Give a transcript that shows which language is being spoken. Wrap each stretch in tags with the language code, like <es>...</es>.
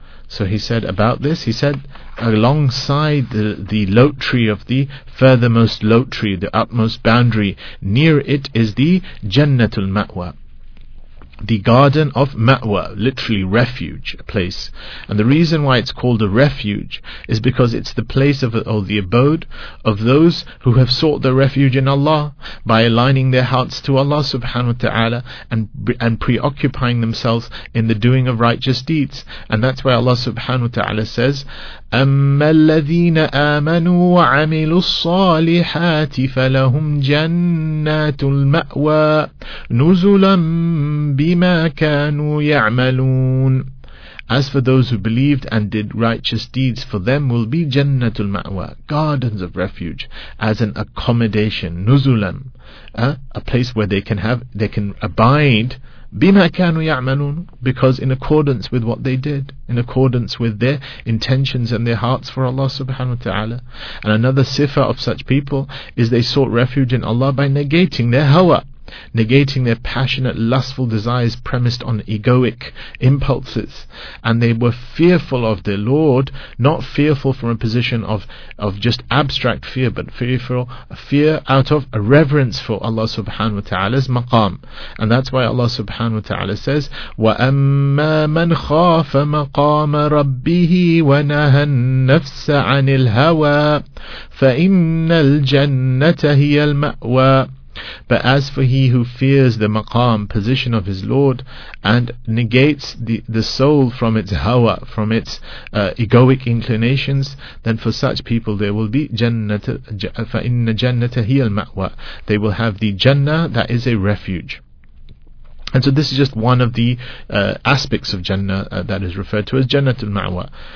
<en>So he said about this, he said, alongside the lote tree of the furthermost lote tree, the utmost boundary, near it is the Jannatul Ma'wa, the garden of Ma'wa, literally refuge, a place. And the reason why it's called a refuge is because it's the place of, or the abode of those who have sought the refuge in Allah by aligning their hearts to Allah subhanahu wa ta'ala and preoccupying themselves in the doing of righteous deeds. And that's why Allah subhanahu wa ta'ala says,</en> <ar>أَمَّا الَّذِينَ آمَنُوا وَعَمِلُوا الصَّالِحَاتِ فَلَهُمْ جَنَّاتُ الْمَأْوَى نُزُلًا بِمَا كَانُوا يَعْمَلُونَ.</ar> <en>As for those who believed and did righteous deeds, for them will be Jannatul Ma'wa, gardens of refuge, as an accommodation, نُزُلًا, a place where they can abide,</en> <ar>بِمَا كَانُوا يَعْمَلُونَ,</ar> <en>because in accordance with what they did, in accordance with their intentions and their hearts for Allah subhanahu wa ta'ala. And another sifa of such people is they sought refuge in Allah by negating their hawa, negating their passionate, lustful desires premised on egoic impulses. And they were fearful of their Lord, not fearful from a position of just abstract fear, but fearful, fear out of a reverence for Allah subhanahu wa ta'ala's maqam. And that's why Allah subhanahu wa ta'ala says,</en> <ar>وَأَمَّا مَنْ خَافَ مَقَامَ رَبِّهِ وَنَهَى النَّفْسَ عَنِ الْهَوَى فَإِنَّ الْجَنَّةَ هِيَ الْمَأْوَى.</ar> <en>But as for he who fears the maqam, position of his Lord, and negates the soul from its hawa, from its egoic inclinations, then for such people there will be</en> <ar>فَإِنَّ جَنَّةَ هِيَ الْمَأْوَى.</ar> <en>They will have the Jannah that is a refuge. And so this is just one of the aspects of Jannah that is referred to as Jannatul Ma'wa.</en>